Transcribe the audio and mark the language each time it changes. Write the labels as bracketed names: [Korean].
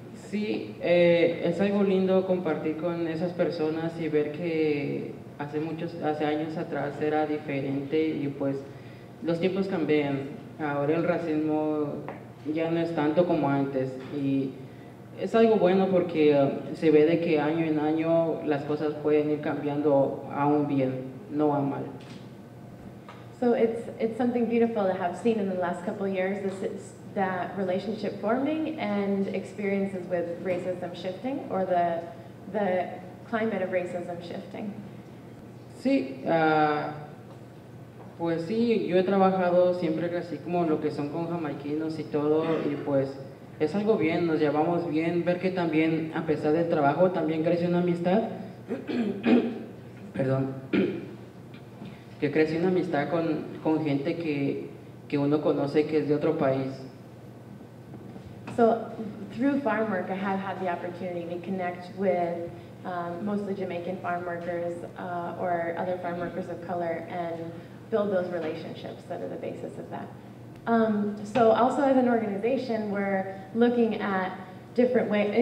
[Spanish] Sí, es algo lindo compartir con esas personas y ver que hace años atrás era diferente y pues los tiempos cambian. Ahora el racismo ya no es tanto como antes y es algo bueno porque se ve de que año en año las cosas pueden ir cambiando a un bien, no a mal. [English] So it's something beautiful to have seen in the last couple of years, that relationship forming and experiences with racism shifting, or the climate of racism shifting. [Spanish] Sí, pues sí, yo he trabajado siempre así como lo que son con jamaiquinos y todo, y pues es algo bien, nos llevamos bien, ver que también, a pesar del trabajo, también crece una amistad, perdón, que crece una amistad con gente que uno conoce que es de otro país. [English] So, through farm work, I have had the opportunity to connect with mostly Jamaican farm workers or other farm workers of color and build those relationships that are the basis of that. So also as an organization, we're looking at different ways.